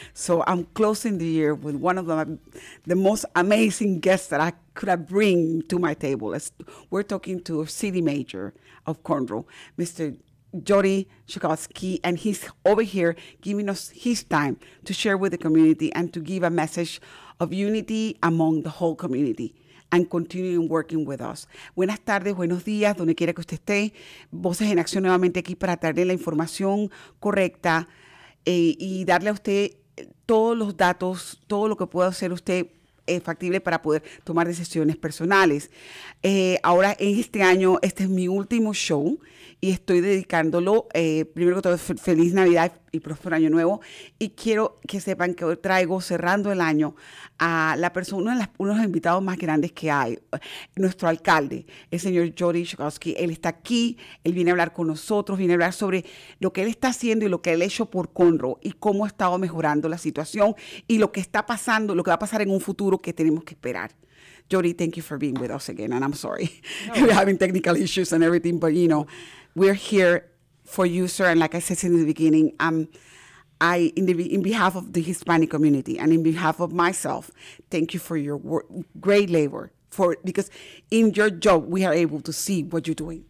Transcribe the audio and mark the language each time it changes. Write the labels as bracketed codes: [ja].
[en] So I'm closing the year with one of the most amazing guests that I could have bring to my table. We're talking to a city major of Conroe, Mr. Jody Shukowski, and he's over here giving us his time to share with the community and to give a message of unity among the whole community and continuing working with us. [es] Buenas tardes, buenos días, donde quiera que usted esté. Voces en Acción nuevamente aquí para traerle la información correcta y darle a usted todos los datos, todo lo que pueda hacer usted factible para poder tomar decisiones personales. Ahora, en este año, este es mi último show y estoy dedicándolo, primero que todo, feliz Navidad y próspero Año Nuevo. Y quiero que sepan que hoy traigo, cerrando el año, a la persona, uno de los invitados más grandes que hay, nuestro alcalde, el señor Jody Shukowski. Él está aquí, él viene a hablar con nosotros, viene a hablar sobre lo que él está haciendo y lo que él ha hecho por Conroe y cómo ha estado mejorando la situación y lo que está pasando, lo que va a pasar en un futuro que tenemos que esperar. [en] Jody, thank you for being with us again, and I'm sorry. No. We're having technical issues and everything, but, you know, we're here for you, sir. And like I said in the beginning, in behalf of the Hispanic community and in behalf of myself, thank you for your great labor, because in your job, we are able to see what you're doing.